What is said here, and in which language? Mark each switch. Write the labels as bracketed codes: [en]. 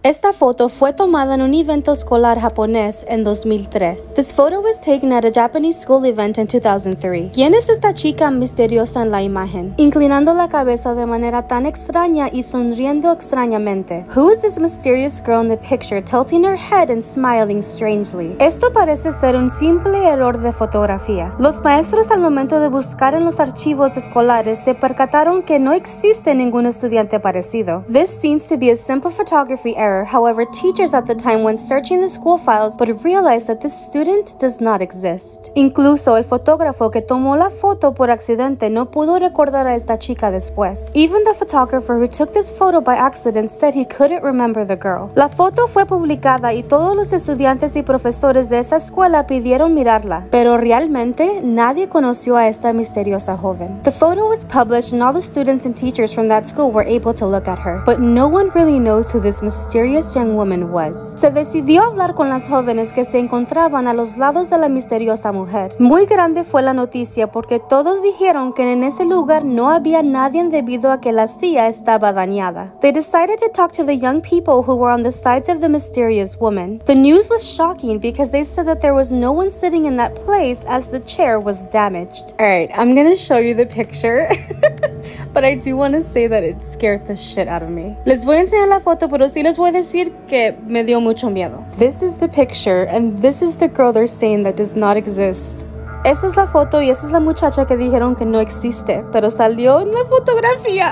[es] Esta foto fue tomada en un evento escolar japonés en 2003. [en] This photo was taken at a Japanese school event in 2003. [es] ¿Quién es esta chica misteriosa en la imagen? Inclinando la cabeza de manera tan extraña y sonriendo extrañamente. [en] Who is this mysterious girl in the picture tilting her head and smiling strangely? [es] Esto parece ser un simple error de fotografía. Los maestros al momento de buscar en los archivos escolares se percataron que no existe ningún estudiante parecido. [en] This seems to be a simple photography error. However, teachers at the time went searching the school files but realized that this student does not exist. [es] Incluso el fotógrafo que tomó la foto por accidente no pudo recordar a esta chica después. [en] Even the photographer who took this photo by accident said he couldn't remember the girl. [es] La foto fue publicada y todos los estudiantes y profesores de esa escuela pidieron mirarla, pero realmente nadie conoció a esta misteriosa joven. [en] The photo was published and all the students and teachers from that school were able to look at her, but no one really knows who this mysterious young woman was. [es] Se decidió hablar con las jóvenes que se encontraban a los lados de la misteriosa mujer. Muy grande fue la noticia porque todos dijeron que en ese lugar no había nadie debido a que la silla estaba dañada. [en] They decided to talk to the young people who were on the sides of the mysterious woman. The news was shocking because they said that there was no one sitting in that place as the chair was damaged. All right, I'm gonna show you the picture. But I do want to say that it scared the shit out of me. [es] Les voy a enseñar la foto, pero sí les voy a decir que me dio mucho miedo. [en] This is the picture, and this is the girl they're saying that does not exist. [es] Esa es la foto y esa es la muchacha que dijeron que no existe, pero salió en la fotografía.